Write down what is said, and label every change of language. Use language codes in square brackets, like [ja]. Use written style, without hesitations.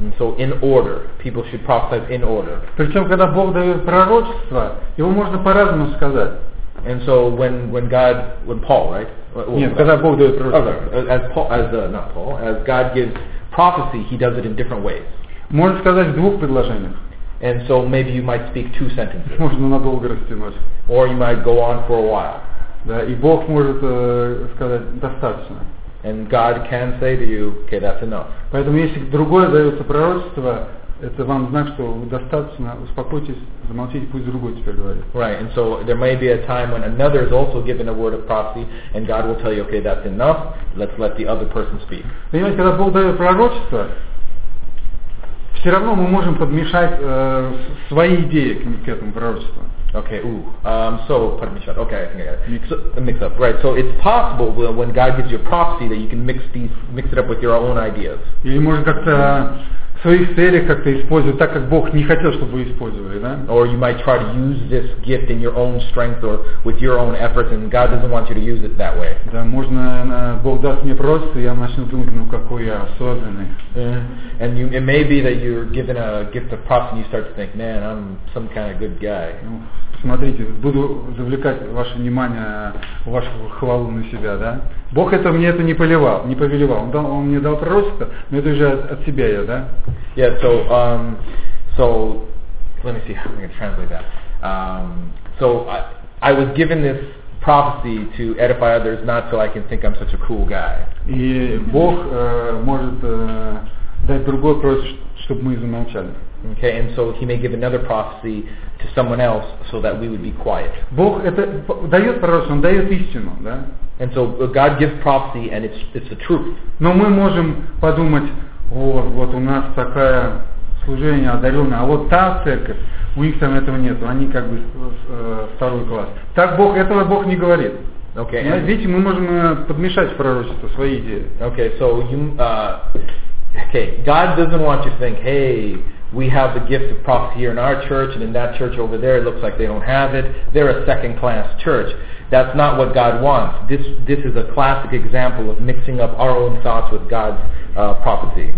[en] So in order, people should prophesy in order. [ru] Причем, когда Бог дает пророчество, его можно по-разному сказать. [en] And so when Paul, right? [ru] Нет, когда Бог дает пророчество. [en] As God gives prophecy, he does it in different ways. [ru] Можно сказать в двух предложениях. [en] And so maybe you might speak two sentences. [ru] Можно надолго растянуть. [en] Or you might go on for a while. [ru] Да, и Бог может сказать достаточно. [en] And God can say to you, okay, that's enough. [ru] Поэтому если другое дается пророчество, это вам знак, что достаточно, успокойтесь, замолчите, пусть другой теперь говорит. [en] Right, and so there may be a time when another is also given a word of prophecy, and God will tell you, okay, that's enough, let's let the other person speak. [ru] Понимаете, когда Бог дает пророчество, все равно мы можем подмешать свои идеи к этому пророчеству. [en] Okay, I think I got it. Mix up. Right, so it's possible when God gives you a prophecy that you can mix it up with your own ideas. [ru] Или можно как-то в своих целях как-то использовать так, как Бог не хотел, чтобы вы использовали, да? [en] Or you might try to use this gift in your own strength or with your own efforts, and God doesn't want you to use it that way. [ru] Да, можно, Бог даст мне пророчество, я начну думать, ну какой я особенный. [en] And it may be that you're given a gift of prophecy and you start to think, man, I'm some kind of good guy. [ru] Смотрите, буду завлекать ваше внимание, вашу хвалу на себя, да? Бог это мне это не поливал, не повелевал. Он мне дал пророчество, но это уже от себя я, да? [en] Yeah, so let me see how I'm going to translate that. So I was given this prophecy to edify others, not so I can think I'm such a cool guy. [ru] И Бог может дать другой просто, чтобы мы замолчали. [en] Okay, and so he may give another prophecy to someone else so that we would be quiet. [ru] Бог это дает пророчество, он дает истину, да? [en] And so God gives prophecy and it's the truth. [ru] Но мы можем подумать, вот у нас такое служение одаренное, а вот та церковь, у них там этого нет, они как бы второй класс. Так Бог, этого Бог не говорит. [en] Okay. [ru] Видите, мы можем подмешать пророчество, свои идеи. [en] Okay, so you, okay, God doesn't want you to think, hey, we have the gift of prophecy here in our church, and in that church over there, it looks like they don't have it. They're a second-class church. That's not what God wants. This is a classic example of mixing up our own thoughts with God's prophecy.